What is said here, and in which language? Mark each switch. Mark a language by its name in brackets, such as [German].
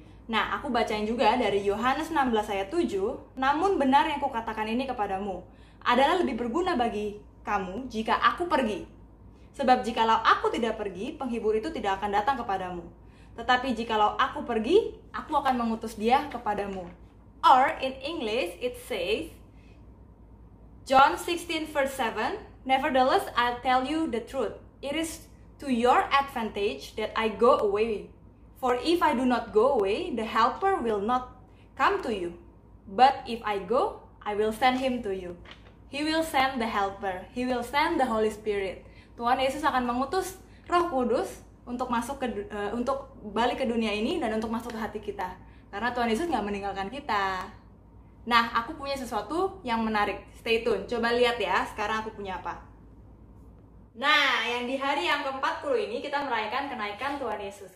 [Indonesian] Nah, aku bacain juga dari Yohanes 16 ayat 7, namun benar yang kukatakan ini kepadamu adalah lebih berguna bagi kamu jika aku pergi. Sebab jikalau aku tidak pergi, penghibur itu tidak akan datang kepadamu. Tetapi jikalau aku pergi, aku akan mengutus dia kepadamu. [English] Or in English it says, John 16 verse 7, nevertheless I tell you the truth. It is to your advantage that I go away. For if I do not go away, the helper will not come to you. But if I go, I will send him to you. He will send the helper. He will send the Holy Spirit. [Indonesian] Tuhan Yesus akan mengutus Roh Kudus untuk masuk ke untuk balik ke dunia ini dan untuk masuk ke hati kita. Karena Tuhan Yesus enggak meninggalkan kita. Nah, aku punya sesuatu yang menarik. [English] Stay tune. [Indonesian] Coba lihat ya, sekarang aku punya apa. Nah, yang di hari yang ke-40 ini kita merayakan kenaikan Tuhan Yesus.